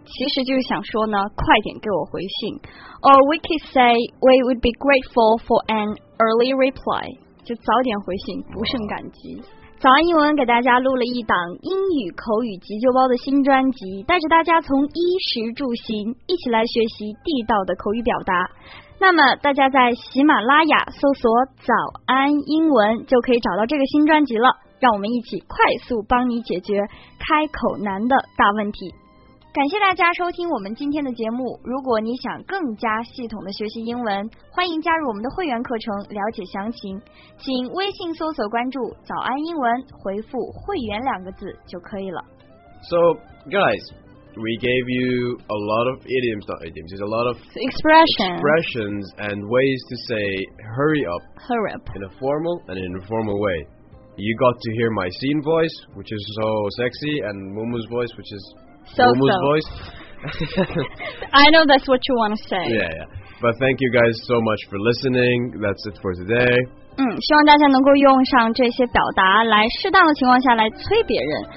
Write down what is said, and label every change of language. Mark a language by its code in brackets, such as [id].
[zh] 其实就是想说呢，快点给我回信。 [en] Or we could say we would be grateful for an early reply. [zh] 就早点回信，不胜感激。早安英文给大家录了一档英语口语急救包的新专辑，带着大家从衣食住行一起来学习地道的口语表达。那么大家在喜马拉雅搜索早安英文就可以找到这个新专辑了，让我们一起快速帮你解决开口难的大问题。感谢大家收听我们今天的节目，如果你想更加系统的学习英文，欢迎加入我们的会员课程了解详情，请微信搜索关注早安英文，回复会员两个字就可以了。 [en] So guys, we gave you a lot of idioms, not idioms, it's a lot of expressions and ways to say hurry up, hurry up in a formal and informal way. You got to hear my scene voice, which is so sexy, and Mumu's voice, which is So-so. I know that's what you want to say. Yeah, yeah. But thank you guys so much for listening. That's it for today. [zh] 嗯，希望大家能够用上这些表达来适当的情况下来催别人。